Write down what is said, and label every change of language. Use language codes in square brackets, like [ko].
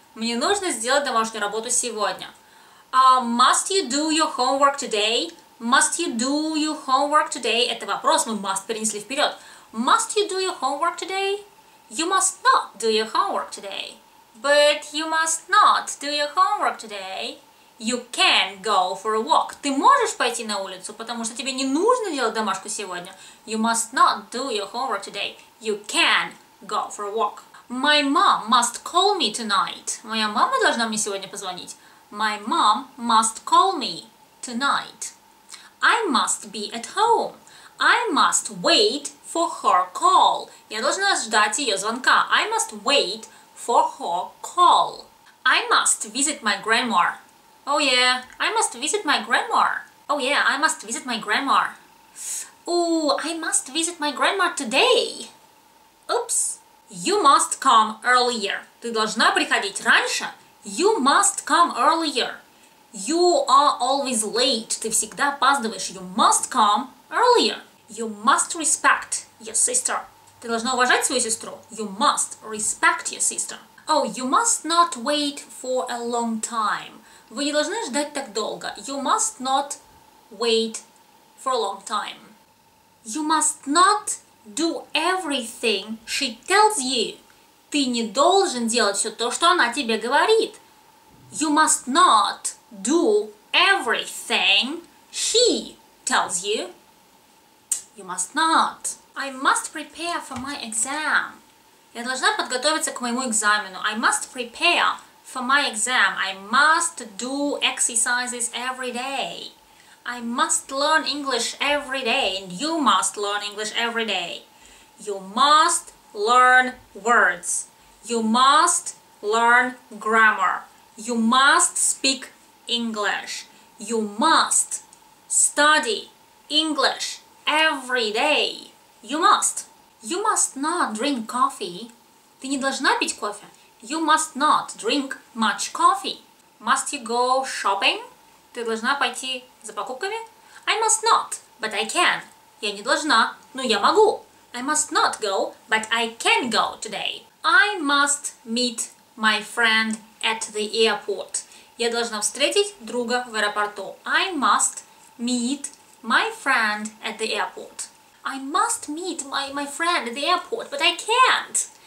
[ru] Мне нужно сделать домашнюю работу сегодня. [en] Must you do your homework today? Must you do your homework today? [ru] Это вопрос, мы must перенесли вперед. [en] Must you do your homework today? You must not do your homework today. But you must not do your homework today. You can go for a walk. [ru] Ты можешь пойти на улицу, потому что тебе не нужно делать домашку сегодня. [en] You must not do your homework today. You can go for a walk. My mom must call me tonight. [ru] Моя мама должна мне сегодня позвонить. [en] My mom must call me tonight. I must be at home. I must wait for her call. [ru] Я должна ждать ее звонка. [en] I must wait for her call. I must visit my grandma. Oh yeah, I must visit my grandma. Oh yeah, I must visit my grandma. Ooh, I must visit my grandma today. Oops. You must come earlier. [ru] Ты должна приходить раньше. [en] You must come earlier. You are always late. [ru] Ты всегда опаздываешь. [en] You must come earlier. You must respect your sister. [ru] Ты должна уважать свою сестру. [en] You must respect your sister. Oh, you must not wait for a long time. [ru] Вы не должны ждать так долго. [en] You must not wait for a long time. You must not do everything she tells you. [ru] Ты не должен делать все то, что она тебе говорит. [en] You must not do everything she tells you. You must not. I must prepare for my exam. [ru] Я должна подготовиться к моему экзамену. [en] I must prepare for my exam. I must do exercises every day. I must learn English every day. And you must learn English every day. You must learn words. You must learn grammar. You must speak English. You must study English every day. You must. You must not drink coffee. [ru] Ты не должна пить кофе. [en] You must not drink much coffee. Must you go shopping? [ru] Ты должна пойти за покупками? [en] I must not, but I can. [ru] Я не должна, но я могу. [en] I must not go, but I can go today. I must meet my friend at the airport. [ru] Я должна встретить друга в аэропорту. [en] I must meet my friend at the airport. I must meet my friend at the airport, but I can't.